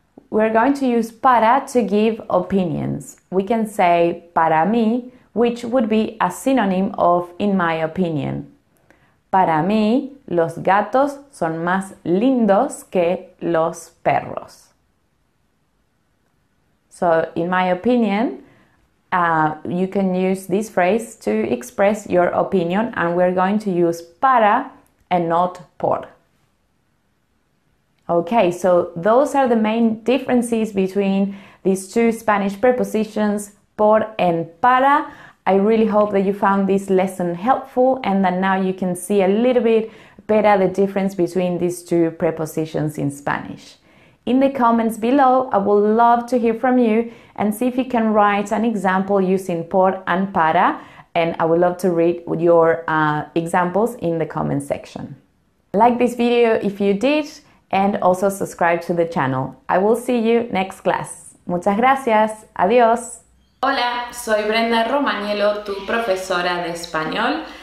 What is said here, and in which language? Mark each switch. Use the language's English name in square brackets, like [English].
[English] We're going to use para to give opinions. We can say para mí, which would be a synonym of in my opinion. [Spanish] Para mí, los gatos son más lindos que los perros. [English] So, in my opinion, you can use this phrase to express your opinion, and we're going to use para and not por. Okay, so those are the main differences between these two Spanish prepositions, por and para. I really hope that you found this lesson helpful and that now you can see a little bit better the difference between these two prepositions in Spanish. In the comments below, I would love to hear from you and see if you can write an example using por and para, and I would love to read your examples in the comment section. Like this video if you did, and also subscribe to the channel. I will see you next class. [Spanish] Muchas gracias. Adiós. Hola, soy Brenda Romagnello, tu profesora de español.